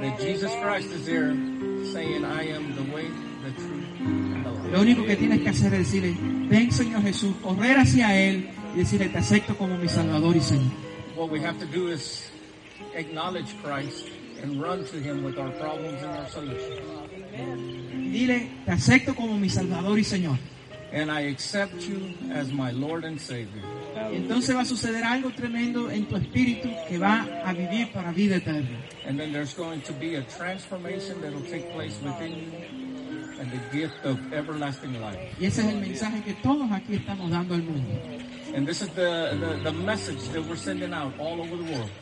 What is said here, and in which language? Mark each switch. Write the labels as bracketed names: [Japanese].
[English] That Jesus Christ is there saying, I am the way, the truth. [Spanish] Lo único que tienes que hacer es decirle, ven Señor Jesús, correr hacia Él y decirle, te acepto como mi Salvador y Señor. [English] What we have to do is acknowledge Christ and run to Him with our problems and our solutions. [Spanish] Dile, te acepto como mi Salvador y Señor. [English] And I accept you as my Lord and Savior. [Spanish] Y entonces va a suceder algo tremendo en tu espíritu que va a vivir para vida eterna. [English] And then there's going to be a transformation that will take place within you. And the gift of everlasting life. [Spanish] Y ese es el mensaje que todos aquí estamos dando al mundo. [English] And this is the message that we're sending out all over the world.